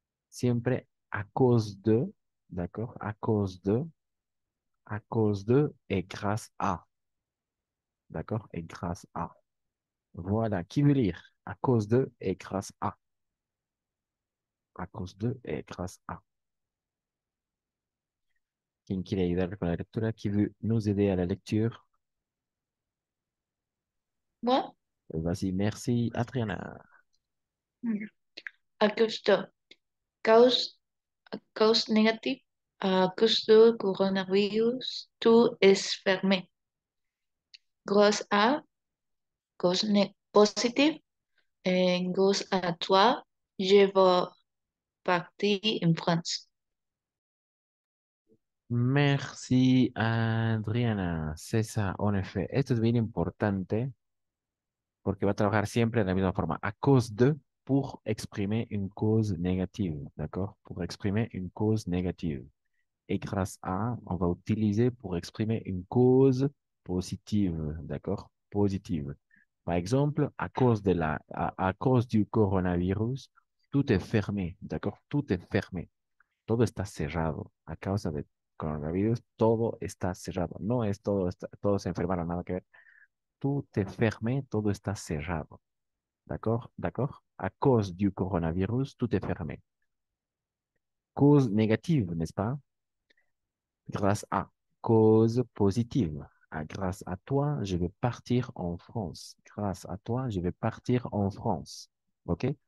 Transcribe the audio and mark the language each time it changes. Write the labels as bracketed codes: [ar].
[fr] Siempre a cause de. D'accord? A cause de et grâce à. D'accord? Et grâce à. Voilà. Qui veut lire? À cause de et grâce à. À cause de et grâce à. [es] Quien quiere ayudar con la lectura? [fr] Qui veut nous aider à la lecture? Bon. Vas-y, merci, Adriana. Cause négative, à cause du coronavirus, tout est fermé. Grâce à cause positive, et grâce à toi, je vais partir en France. Merci, Adriana. C'est ça, en effet. [es] Esto es bien importante porque va a trabajar siempre de la misma forma. [fr] A cause de, pour exprimer une cause négative. D'accord? Pour exprimer une cause négative. Et grâce à, on va utiliser pour exprimer une cause positive. D'accord? Positive. Par exemple, à cause du coronavirus, tout est fermé. [es] D'accord? [fr] Tout est fermé. [es] Todo está cerrado a causa de coronavirus, todo está cerrado. No es todo, todos se enfermaron, nada que ver. [fr] Tout est fermé, [es] todo está cerrado. [fr] D'accord? D'accord? A cause du coronavirus, tout est fermé. Cause négative, n'est-ce pas? Grâce à. Cause positive. À grâce à toi, je vais partir en France. Grâce à toi, je vais partir en France. OK?